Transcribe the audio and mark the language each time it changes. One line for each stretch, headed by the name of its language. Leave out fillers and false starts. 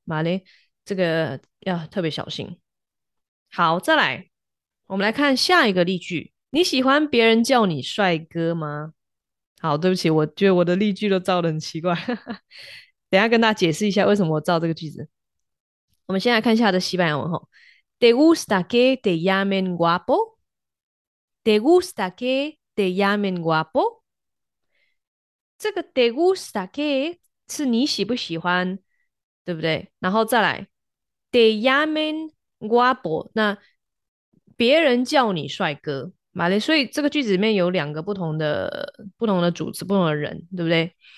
Chinese: 马嘞，这个要特别小心。好，再来，我们来看下一个例句。你喜欢别人叫你帅哥吗？好，对不起，我觉得我的例句都造得很奇怪。等一下跟大家解释一下为什么我造这个句子。我们先来看一下这西班牙文吼，
Spanish: ¿Te gusta que te llamen guapo? ¿Te gusta que te llamen guapo?
Chinese: 这个
Spanish: te gusta que
Chinese: 是你喜不喜欢，对不对？然后再来，
Spanish: te llamen guapo，
Chinese: 那别人叫你帅哥，马嘞，所以这个句子里面有两个不同的主词，不同的人，对不对？